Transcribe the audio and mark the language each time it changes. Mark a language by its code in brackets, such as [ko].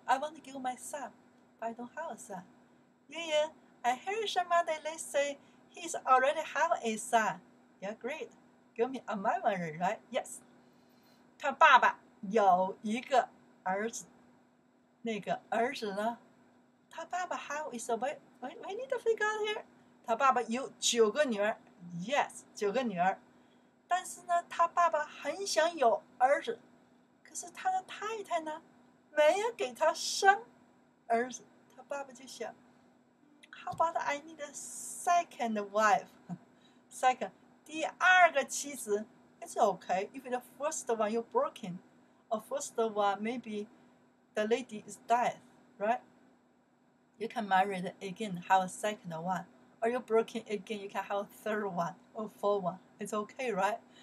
[en] I want to give my son, but I don't have a son. 英英， I hear somebody they say he's already have a son. Yeah, great. Give me a memory, right? Yes. [zh] 他爸爸有一个儿子，那个儿子呢？他爸爸 [en] have is a we need to figure out here. [zh] 他爸爸有九个女儿 ，yes， 九个女儿。但是呢，他爸爸很想有儿子，可是他的太太呢，没有给他生儿子。他爸爸就想 [en] ，How about I need a second wife? [zh] Second， 第二个妻子。 [en] It's okay if the first one you're broken, or first one maybe the lady is dead, right? You can marry again, have a second one, or you're broken again, you can have a third one or fourth one. It's okay, right?